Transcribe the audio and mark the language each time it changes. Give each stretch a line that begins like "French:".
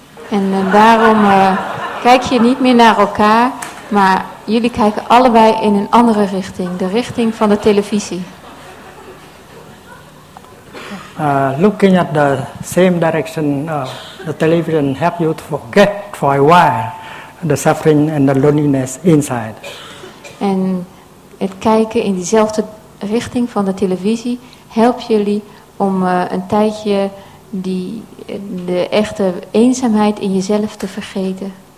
Dutch: En daarom kijk je niet meer naar elkaar, maar jullie kijken allebei in een andere richting, de richting van de televisie.
English: Looking at the same direction of the television helps you to forget for a while the suffering and the loneliness inside.
Dutch: En het kijken in diezelfde richting van de televisie helpt jullie om een tijdje de echte eenzaamheid in jezelf te vergeten.